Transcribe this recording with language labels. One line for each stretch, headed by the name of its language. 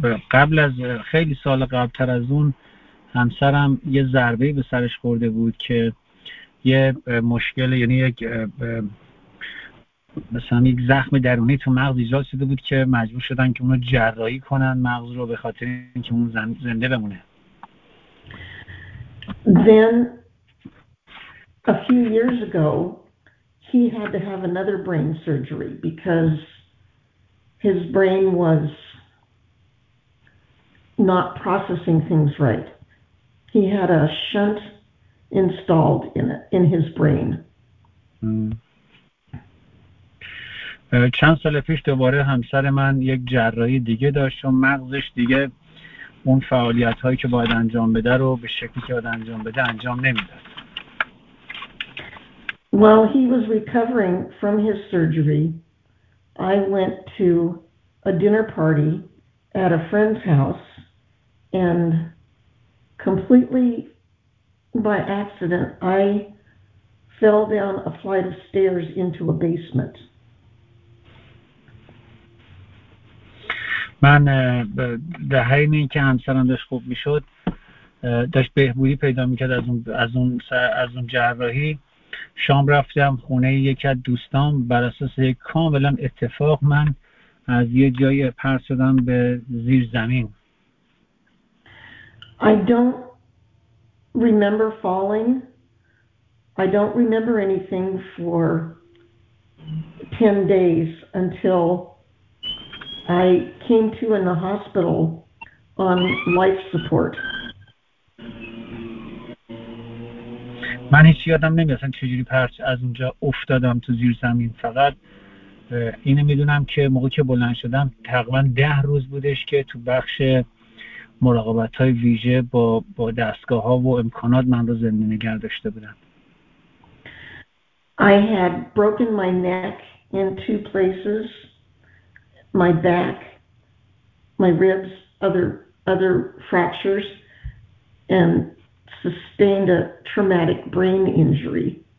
Persian: قبل از خیلی سال قبل‌تر از اون همسرم یه ضربه به سرش خورده بود که یه مشکل یعنی یک مثلا یک زخم درونی تو مغز ایجاد شده بود که مجبور شدن که اونو جراحی کنن مغز رو به خاطر اینکه اون زنده بمونه.
English: Then a few years ago he had to have another brain surgery because his brain was not processing things right. He had a shunt installed in his brain.
Persian: چند سال پیش دوباره همسر من یک جراحی دیگه داشت و مغزش دیگه اون فعالیت‌هایی که باید انجام بده رو به شکلی که باید انجام بده انجام نمی‌داد.
English: While he was recovering from his surgery, I went to a dinner party at a friend's house, and completely by accident, I fell down a flight of stairs into a basement.
Persian: من دهه اینه این که همسرم داشت خوب میشد داشت بهبودی پیدا میکرد از اون جراحی شام رفتم خونه یکی از دوستان بر اساس کاملا اتفاق من از یه جایی پرت شدم به زیر زمین
English: I don't remember falling I don't remember anything for 10 days until I came to in the hospital on life support.
Persian: من هیچ یادم نمیاد اصلا چجوری پرت از اونجا افتادم تو زیر زمین فقط اینو میدونم که موقعی که بلند شدم تقریبا 10 روز بودش که تو بخش مراقبت های ویژه با دستگاه ها و امکانات من رو زنده نگه داشته بودن.
English: I had broken my neck in two places. My back, my ribs, other fractures, and sustained a traumatic brain injury.